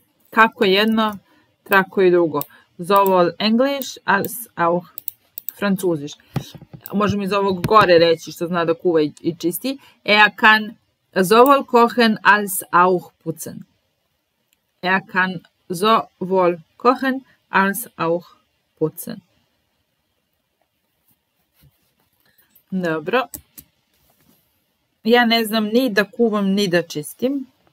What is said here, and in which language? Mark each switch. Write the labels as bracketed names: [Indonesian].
[Serbian] Kako jedno, tako i drugo. [German] Sowohl Englisch als auch Französisch. [Serbian] Možemo iz ovog gore reći što zna da kuva i čisti. [German] Er kann sowohl kochen als auch putzen. Er kann sowohl kochen als auch putzen. [Serbian] Dobro. Ja ne znam ni da kuvam ni da čistim.